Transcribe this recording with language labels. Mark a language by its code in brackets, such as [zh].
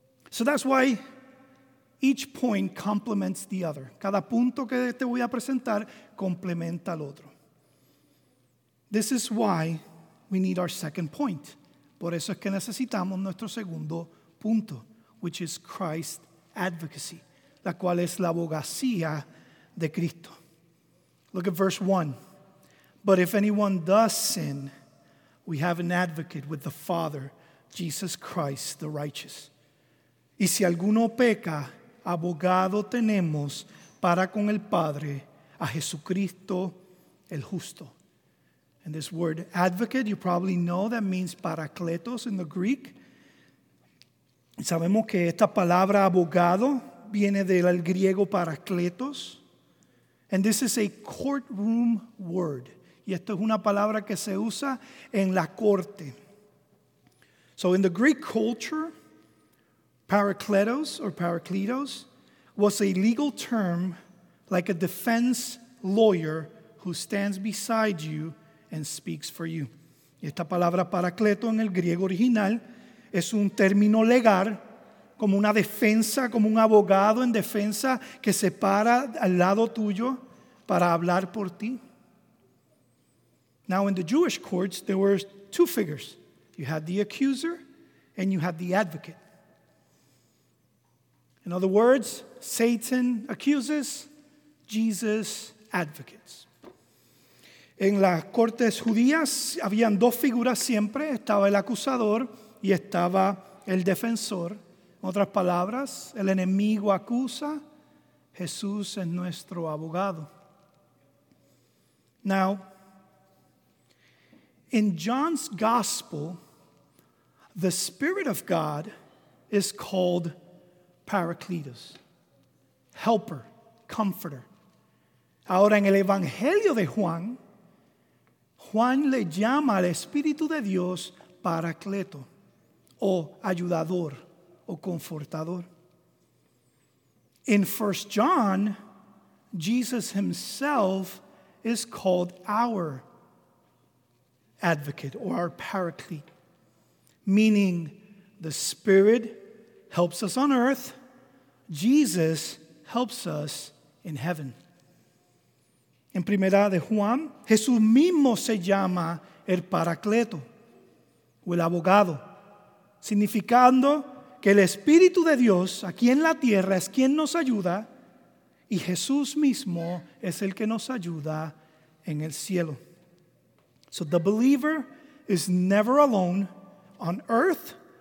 [en] So that's why each point complements the other. [es] Cada punto que te voy a presentar complementa al otro. [en] This is why we need our second point. [es] Por eso es que necesitamos nuestro segundo punto, [en] which is Christ's advocacy, [es] la cual es la abogacía de Cristo. [en] Look at verse 1. But if anyone does sin, we have an advocate with the Father, Jesus Christ, the righteous. [es] Y si alguno peca, abogado tenemos para con el Padre, a Jesucristo el justo. [en] And this word advocate, you probably know that means paracletos in the Greek. [es] Sabemos que esta palabra abogado viene del griego paracletos. [en] And this is a courtroom word. [es] Y esto es una palabra que se usa en la corte. [en] So in the Greek culture, paracletos or paracletos was a legal term like a defense lawyer who stands beside you and speaks for you. [es] Y esta palabra paracleto en el griego original es un término legal, como una defensa, como un abogado en defensa que se para al lado tuyo para hablar por ti. [en] Now in the Jewish courts, there were two figures. You had the accuser and you had the advocate. In other words, Satan accuses, Jesus advocates. [es] En las cortes judías habían dos figuras siempre. Estaba el acusador y estaba el defensor. En otras palabras, el enemigo acusa, Jesús es nuestro abogado. [en] Now, in John's gospel, the Spirit of God is called Paracletos, helper, comforter. [es] Ahora en el Evangelio de Juan, Juan le llama al Espíritu de Dios paracleto, o ayudador, o confortador. [en] In 1 John, Jesus himself is called our advocate, or our paraclete, meaning the Spirit helps us on earth, Jesus helps us in heaven. [es] En primera de Juan, Jesús mismo se llama el paracleto, o el abogado, significando que el Espíritu de Dios aquí en la tierra es quien nos ayuda y Jesús mismo es el que nos ayuda en el cielo. [en] So the believer is never alone on earth.